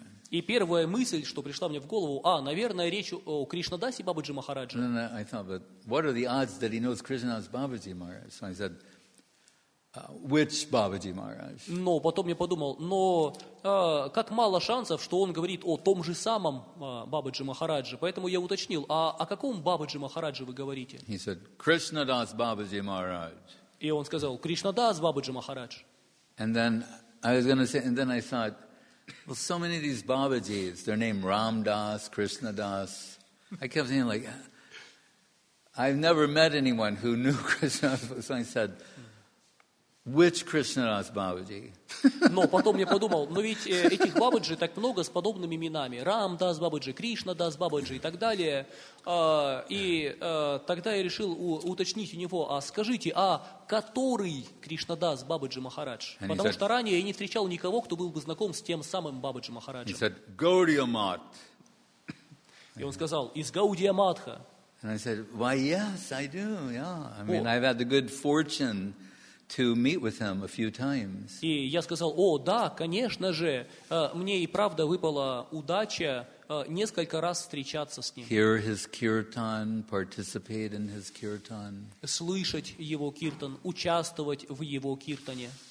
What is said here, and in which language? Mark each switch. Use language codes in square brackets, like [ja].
[ru] И первая мысль, что пришла мне в голову, наверное, речь о Кришнадасе Бабаджи Махараджа. [en] I thought, but what are the odds that he knows Krishnadas Babaji Maharaj? So I said, which Babaji Maharaj? [ru] Но потом я подумал, но как мало шансов, что он говорит о том же самом Бабаджи Махараджи. Поэтому я уточнил, а о каком Бабаджи Махараджи вы говорите? [en] He said, Krishnadas Babaji Maharaj. [ru] И он сказал, Кришнадас Бабаджи Махарадж. [en] And then I was going to say, and then I thought, well, so many of these Babajis, their name Ramdas, Krishnadas. I kept thinking like, I've never met anyone who knew Krishnadas. So I said, which Krishnadas Babaji? [ru] Но потом я подумал, но ведь этих Бабаджи так много с подобными именами. Рамдас Бабаджи, Кришнадас Бабаджи и так далее. И тогда я решил уточнить у него, скажите, который Кришнадас Бабаджи Махарадж? Потому что ранее я не встречал никого, кто был бы знаком с тем самым Бабаджи Махараджем. [en] He said, Gaudiya Math. [ru] И он сказал, из Гаудия Матха. [en] And I said, why, yes, I do, yeah. I mean, I've had the good fortune to meet with him a few times. [ru] И я сказал, о, да, конечно же, мне и правда выпала удача несколько раз встречаться с ним. [en] Hear his kirtan, participate in his kirtan. [ru] Слышать его киртан, участвовать в его киртане.